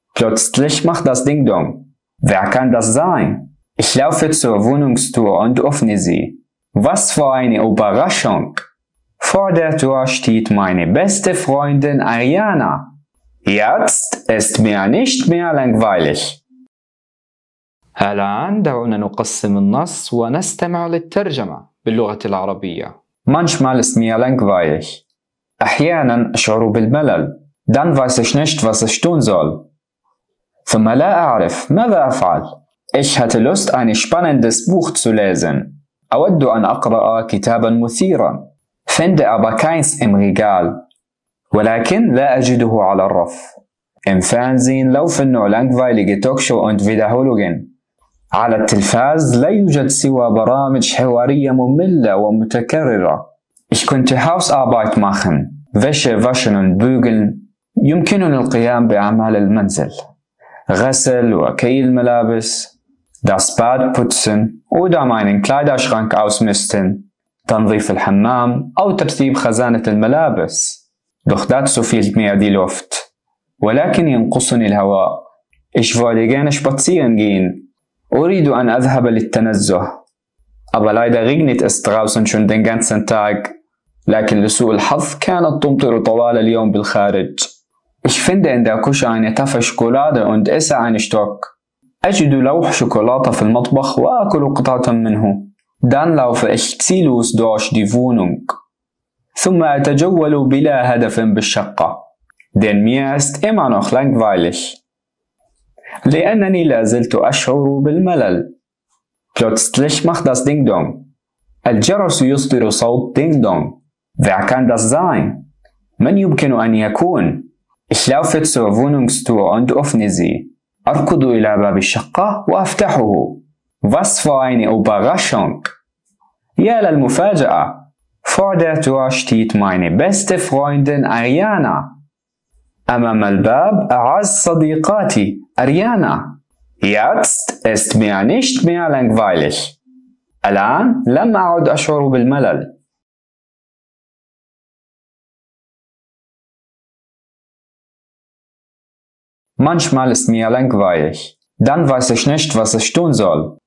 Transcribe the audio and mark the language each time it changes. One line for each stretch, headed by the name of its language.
German: Plötzlich macht das Ding dumm. Wer kann das sein? Ich laufe zur Wohnungstür und öffne sie. Was für eine Überraschung! Vor der Tür steht meine beste Freundin Ariana. Jetzt ist mir nicht mehr langweilig.
Arabic: الآن دعونا نقسم النص ونستمع للترجمة باللغة العربية.
German: Manchmal ist mir langweilig.
Arabic: أحيانا أشعر بالملل.
German: Dann weiß ich nicht, was ich tun soll.
Arabic: ثم لا أعرف ماذا أفعل.
German: Ich hatte Lust, ein spannendes Buch zu lesen.
Arabic: أود أن أقرأ كتابا مثيرا.
German: Finde aber keins im Regal.
Arabic: ولكن لا أجده على الرف.
German: Im Fernsehen laufen nur langweilige Talkshows und Wiederholungen.
Arabic: على التلفاز لا يوجد سوى برامج حوارية مملة ومتكررة.
German: Ich könnte Hausarbeit machen. Wäsche waschen und bügeln.
Arabic: يمكنني القيام بأعمال المنزل. غسل وكي الملابس.
German: Das Bad putzen oder meinen Kleiderschrank ausmisten.
Arabic: تنظيف الحمام أو ترتيب خزانة الملابس.
German: Doch dazu fehlt mir die Luft.
Arabic: ولكن ينقصني الهواء.
German: Ich würde gerne spazieren gehen.
Arabic: أريد أن أذهب للتنزه.
German: Aber leider regnet es draußen schon den ganzen Tag.
Arabic: لكن لسوء الحظ كانت تمطر طوال اليوم بالخارج.
German: Ich finde in der Küche eine Tafel Schokolade und esse einen Stock.
Arabic: أجد لوح شوكولاتة في المطبخ وأكل قطعة منه.
German: Dann laufe ich ziellos durch die Wohnung.
Arabic: ثم أتجول بلا هدف بالشقة.
German: Denn mir ist immer noch langweilig.
Arabic: لأنني لا زلت أشعر بالملل.
German: Plötzlich macht das Ding Dong.
Arabic: الجرس يصدر صوت Ding Dong.
German: Wer kann das sein?
Arabic: من يمكن أن يكون؟
German: Ich laufe zur Wohnungstür und öffne sie.
Arabic: أركض إلى باب الشقة وأفتحه.
German: Was für eine Überraschung!
Arabic: يا للمفاجأة!
German: Vor der Tür steht meine beste Freundin Ariana.
Arabic: أمام الباب أعز صديقاتي أريانا.
German: Jetzt ist mir nicht mehr langweilig.
Arabic: الآن لم أعد أشعر بالملل.
German: Manchmal ist mir langweilig. Dann weiß ich nicht, was ich tun soll.